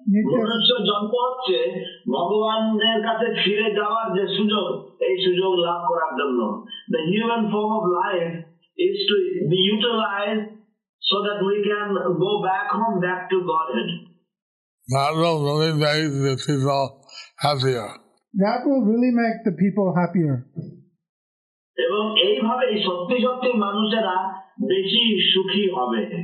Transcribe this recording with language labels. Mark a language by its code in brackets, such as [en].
[bn] মনুষ্য জন্ম হচ্ছে ভগবানের কাছে ফিরে যাওয়ার যে সুযোগ, এই সুযোগ লাভ করার জন্য. [en] The human form of life is to be utilized so that we can go back home, back to Godhead. That will really make the people happier. That will really make the people happier. [bn] এবং এইভাবে সত্যি সত্যি মানুষেরা বেশি সুখী হবে.